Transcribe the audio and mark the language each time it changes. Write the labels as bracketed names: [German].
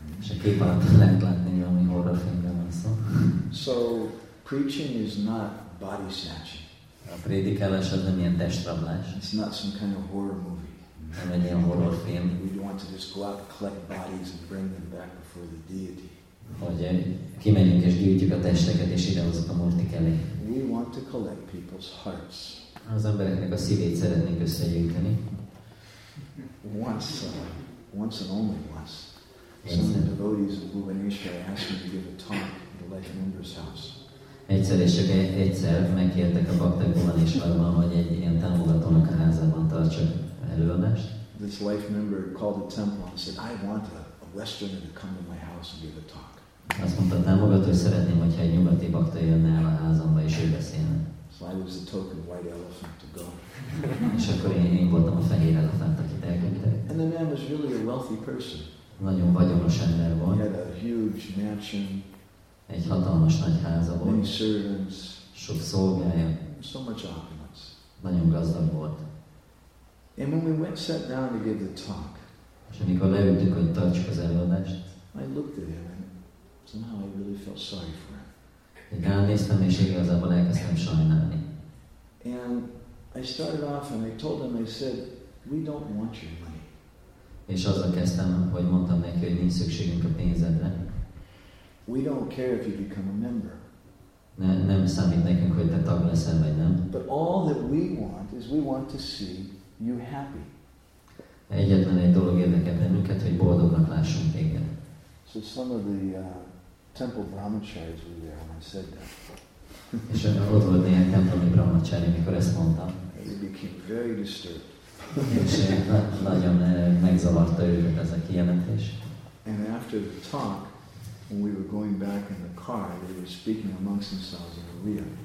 [Hungarian] És a kép alatt lehet látni, hogy valami horror filmre van szó. [English] So, preaching is not body snatching. [Hungarian] A prédikálás az nem ilyen testrablás. [English] It's not some kind of horror movie. [Hungarian] Nem egy ilyen horror film. [English] We don't want to just go out and collect bodies and bring them back before the deity. [Hungarian] Hogy kimegyünk és gyűjtjük a testeket és idehozunk a Murti elé. [English] We want to collect people's hearts. [Hungarian] Az embereknek a szívét szeretnénk összegyűjteni. [English] Once and only once. Some of the devotees of Bhuvaneshwar asked me to give a talk at the Life Members House. [Hungarian] Egyszer és csak egyszer megkértek a baktákban is arra, hogy egy ilyen támogatónak a házában tartsak előadást. [English] This life member called the temple and said, I want a westerner to come to my house and give a talk. [Hungarian] Azt mondta a támogató, hogy szeretném, hogyha egy nyugati bakta jönne el a házamba és ő beszélne. [English] So I was the token white elephant to go. [Hungarian] És akkor én voltam a fehér elefánt, akit elküldtek. [English] And the man was really a wealthy person. [Hungarian] Nagyon vagyonos ember volt. [English] He had a huge mansion. [Hungarian] Egy hatalmas nagy háza volt. [English] Many servants, [Hungarian] sok szolgája. [English] So much opulence. [Hungarian] Nagyon gazdag volt. [English] And when we went sat down to give the talk, [Hungarian] és amikor leültük, hogy tartsuk az előadást, [English] I looked at him and somehow I really felt sorry for him. [Hungarian] Én ránéztem, és igazából elkezdtem sajnálni. [English] And I started off and I told him, I said, we don't want your money. [Hungarian] És azzal kezdtem, hogy mondtam neki, hogy nincs szükségünk a pénzedre. [English] We don't care if you become a member. [Hungarian] Nem számít nekünk, hogy te tag leszel, vagy nem. [English] But all that we want is we want to see you happy. [Hungarian] Egyetlen egy dolog érdekel bennünket, hogy boldognak lássunk téged. [English] So some of the temple brahmacharis were there when I said that. [Hungarian] És ott volt néhány templomi brahmacharis, amikor ezt mondtam. [English] They became very disturbed. [Hungarian] És nagyon megzavarta őket ez a kijelentés. [English] And after the talk, when we were going back in the car, they were speaking amongst themselves in Uriya.